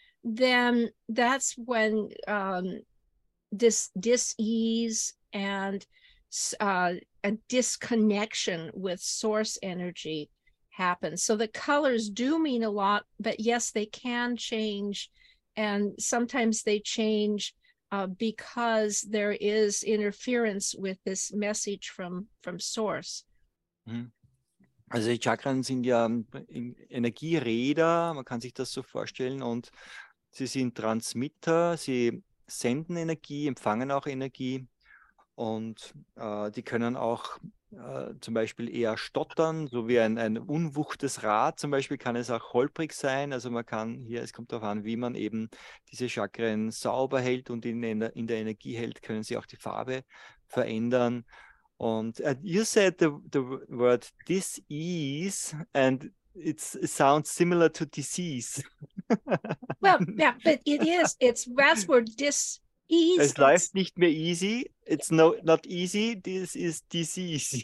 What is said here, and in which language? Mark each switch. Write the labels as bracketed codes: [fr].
[en] Then that's when dis-ease and a disconnection with source energy happens. So the colors do mean a lot, but yes, they can change. And sometimes they change because there is interference with this message from source. [de] Also die Chakren sind ja Energieräder, man kann sich das so vorstellen, und sie sind Transmitter, sie senden Energie, empfangen auch Energie, und die können auch zum Beispiel eher stottern, so wie ein unwuchtes Rad zum Beispiel, kann es auch holprig sein. Also man kann hier, es kommt darauf an, wie man eben diese Chakren sauber hält und in der Energie hält, können sie auch die Farbe verändern. [en] Und you said the word dis-ease, and it sounds similar to disease. Well, yeah, but it is. It's that's where dis-ease. [de] Es läuft nicht mehr easy. [en] It's not easy. This is disease.